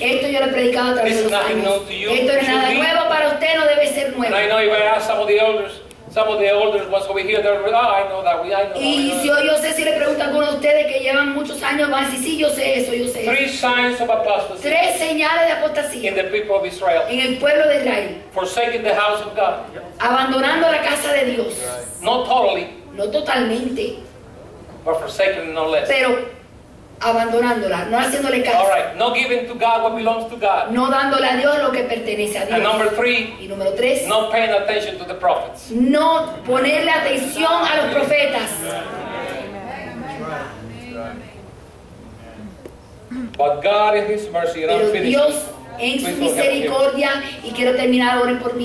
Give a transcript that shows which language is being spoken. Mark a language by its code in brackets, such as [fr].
[es] Esto yo lo he predicado a través de los años. [en] To you. [es] Esto no es nada nuevo para usted, no debe ser nuevo. [en] And I know if I ask some of the elders once over here, they're like, oh, I know that. [es] Yo sé si le pregunto a alguno de ustedes que llevan muchos años, van a decir, sí, yo sé. [en] Three signs of apostasy. [es] Tres señales de apostasía. [en] In the people of Israel. [es] En el pueblo de Israel. [en] Forsaking the house of God. [es] Abandonando la casa de Dios. [en] Right. Not totally. [es] No totalmente. [en] But forsaking no less. [es] Pero abandonándola, no haciéndole caso. [en] All right, not giving to God what belongs to God. [es] No dándole a Dios lo que pertenece a Dios. [en] And number three. [es] Y número tres. [en] Not paying attention to the prophets. [es] No ponerle atención a los profetas. [en] But God in His mercy, and I'm finished. [es] Dios en su misericordia y quiero terminar, oren por mí.